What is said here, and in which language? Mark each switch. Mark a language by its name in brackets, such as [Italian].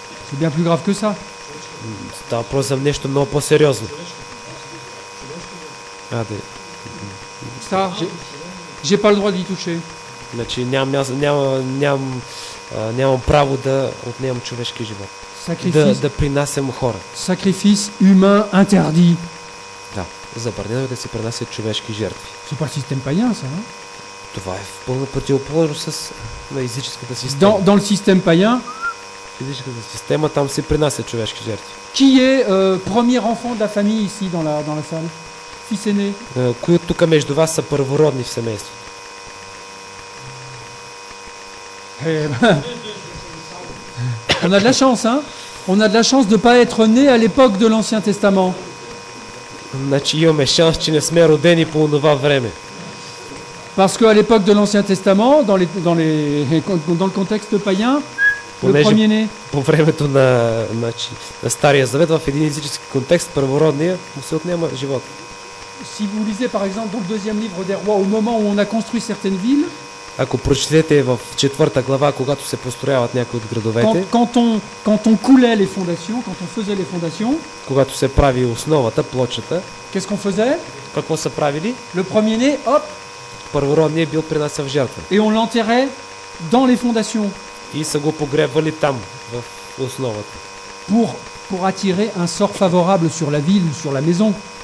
[French] C'est bien plus grave que ça. C'est un problème de quelque chose de plus sérieux. Ça, j'ai pas le droit d'y toucher. [Bulgarian] Значи нямам право да отнемам човешки живот. Да принасям хора. [French] Sacrifice humain interdit. [Bulgarian] Да, забранено е да се принасят човешки жертви. [French] C'est pas le système païen, ça, non? [Bulgarian] Това е в пълна противоположност с езическата система. [French] Dans le système païen, [Bulgarian] езическата система там се принасят човешки жертви. [French] Qui est premier enfant de la famille ici dans la salle? Fils aîné. [Bulgarian] Кои от тук между вас са първородни в семейството? [French] On a de la chance, hein? On a de la chance de pas être né à l'époque de l'Ancien Testament. [Bulgarian] Значи имаме шанс, че не сме родени по това време. [French] Parce qu'à l'époque de l'Ancien Testament, dans le contexte païen, [Bulgarian] понеже, [French] le premier-né. [Bulgarian] По времето на Стария Завет, в един езически контекст, първородния му се отнема живот. [French] Si vous lisez par exemple dans le deuxième livre des rois, au moment où on a construit certaines villes, [Bulgarian] ако прочетете в четвърта глава, когато се построяват някои от градовете, [French] quand on coulait les fondations, quand on faisait les fondations, [Bulgarian] когато се прави основата, плочата, [French] qu'est-ce qu'on faisait? [Bulgarian] Какво са правили? [French] Le premier-né, hop! [Bulgarian] Първородният бил принасен в жертва. [French] Et on l'enterrait dans les fondations. [Bulgarian] И са го погребвали там, в основата. [French] Pour attirer un sort favorable sur la ville, sur la maison.